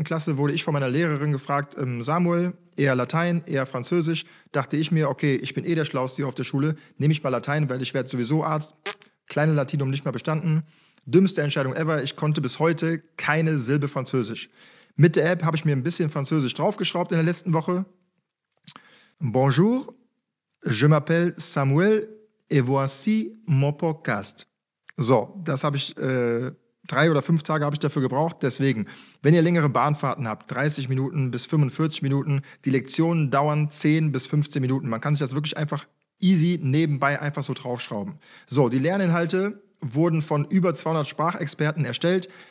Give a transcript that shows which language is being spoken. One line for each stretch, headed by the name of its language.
German: Klasse wurde ich von meiner Lehrerin gefragt, Samuel, eher Latein, eher Französisch. Dachte ich mir, okay, ich bin der Schlauste hier auf der Schule, nehme ich mal Latein, weil ich werde sowieso Arzt. Kleine Latinum nicht mehr bestanden. Dümmste Entscheidung ever, ich konnte bis heute keine Silbe Französisch. Mit der App habe ich mir ein bisschen Französisch draufgeschraubt in der letzten Woche.
French: Bonjour, je m'appelle Samuel et voici mon podcast.
German: So, das habe ich, 3 oder 5 Tage habe ich dafür gebraucht. Deswegen, wenn ihr längere Bahnfahrten habt, 30 Minuten bis 45 Minuten, die Lektionen dauern 10 bis 15 Minuten. Man kann sich das wirklich einfach easy nebenbei einfach so draufschrauben. So, die Lerninhalte wurden von über 200 Sprachexperten erstellt.